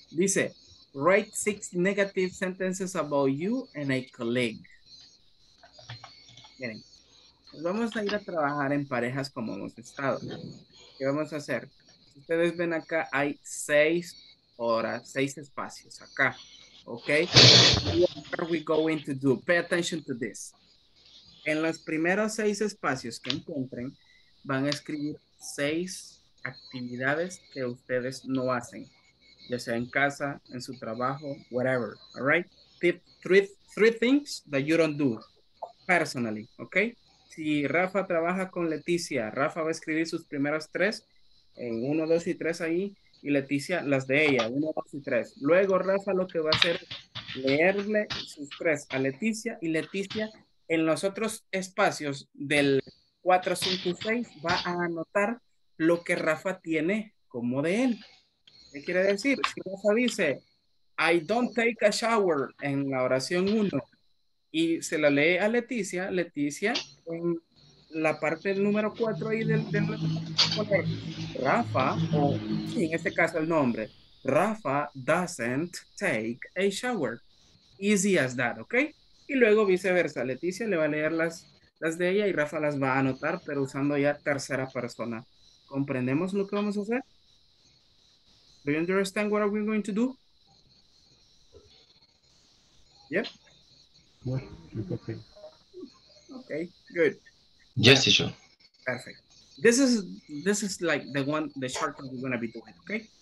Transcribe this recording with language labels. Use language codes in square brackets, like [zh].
[en] Dice, write 6 negative sentences about you and a colleague. [es] Miren, pues vamos a ir a trabajar en parejas como hemos estado. ¿Qué vamos a hacer? Si ustedes ven acá, hay 6 espacios acá. [en] Okay, what are we going to do? Pay attention to this. [es] En los primeros 6 espacios que encuentren, van a escribir 6 actividades que ustedes no hacen, ya sea en casa, en su trabajo, whatever, all right? [en] three things that you don't do personally, okay? [es] Si Rafa trabaja con Leticia, Rafa va a escribir sus primeras tres, en uno, dos y tres ahí, y Leticia las de ella, uno, dos y tres. Luego Rafa lo que va a hacer es leerle sus tres a Leticia, y Leticia en los otros espacios del 4, 5 y 6 va a anotar lo que Rafa tiene como de él. ¿Qué quiere decir? Si Rafa dice, [en] I don't take a shower [es] en la oración 1 y se la lee a Leticia, Leticia en la parte número 4 ahí del Rafa, o en este caso el nombre, [en] Rafa doesn't take a shower. Easy as that, [es] ¿ok? Y luego viceversa, Leticia le va a leer las de ella y Rafa las va a anotar, pero usando ya tercera persona. ¿Comprendemos lo que vamos a hacer? [en] Do you understand what are we going to do? Yep. Okay, good. Yes, yeah. Sure. Perfect. This is like the one, the chart that we're going to be doing, okay?